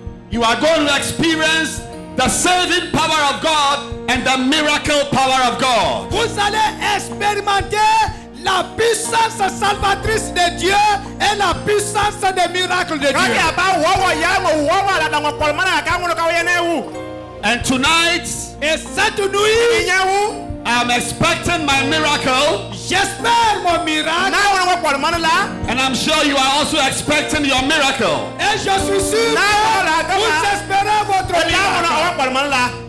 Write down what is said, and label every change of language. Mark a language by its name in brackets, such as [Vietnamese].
[English] You are going to experience the saving power of God and the miracle power of God. [French] Vous allez expérimenter la puissance salvatrice de Dieu et la puissance des miracles de Dieu. [English] And tonight, [French] et cette nuit, [English] I'm expecting my miracle. [French] J'espère mon miracle. [English] And I'm sure you are also expecting your miracle. [French] Et je suis sûr vous espérez votre miracle.